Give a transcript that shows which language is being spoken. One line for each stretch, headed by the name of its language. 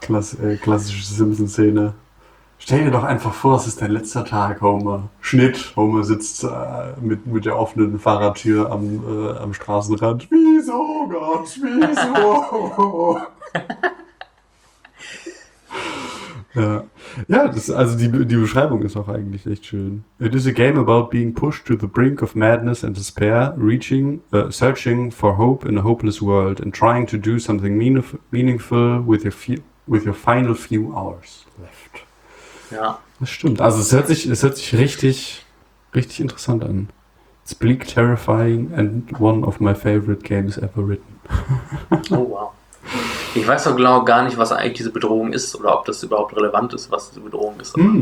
German: Klassische Simpsons-Szene. Stell dir doch einfach vor, es ist dein letzter Tag, Homer. Schnitt, Homer sitzt mit der offenen Fahrradtür am Straßenrand. Wieso, Gott, wieso? Ja, die Beschreibung ist auch eigentlich echt schön.
English: It is a game about being pushed to the brink of madness and despair, searching for hope in a hopeless world and trying to do something meaningful with your final few hours left.
German: Ja. Das stimmt. Also es hört sich richtig, richtig interessant an.
English: It's bleak, terrifying and one of my favorite games ever written.
German: Oh, wow. Ich weiß auch genau gar nicht, was eigentlich diese Bedrohung ist oder ob das überhaupt relevant ist, was diese Bedrohung ist.